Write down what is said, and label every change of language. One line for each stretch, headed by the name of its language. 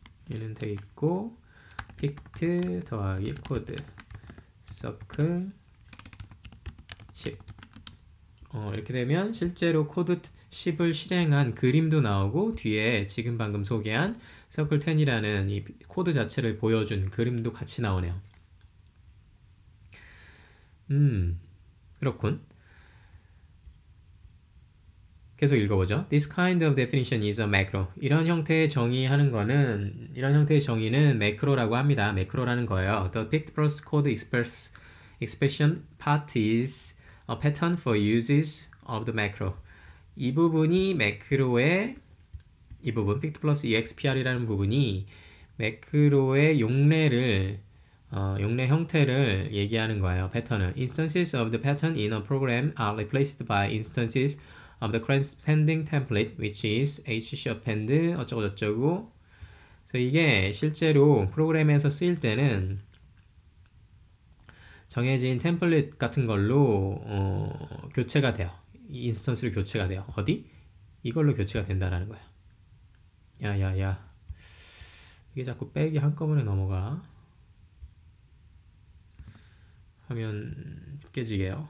Korean: 얘는 돼 있고 pict 더하기 코드 circle 10 이렇게 되면 실제로 코드 10을 실행한 그림도 나오고 뒤에 지금 방금 소개한 Circle 10이라는 이 코드 자체를 보여준 그림도 같이 나오네요. 그렇군. 계속 읽어보죠.
English: This kind of definition is a macro.
Korean: 이런 형태의 정의하는 거는 이런 형태의 정의는 매크로라고 합니다. 매크로라는 거예요.
English: The pict plus code expression part is a pattern for uses of the macro.
Korean: 이 부분이 매크로의 이 부분, pict plus expr이라는 부분이 매크로의 용례 형태를 얘기하는 거예요. 패턴을.
English: Instances of the pattern in a program are replaced by instances of the current pending template, which is hc append
Korean: 어쩌고저쩌고. 그래서 이게 실제로 프로그램에서 쓰일 때는 정해진 템플릿 같은 걸로 교체가 돼요. 인스턴스로 교체가 돼요. 어디? 이걸로 교체가 된다라는 거예요. 야야야 이게 자꾸 백이 한꺼번에 넘어가 하면 깨지게요.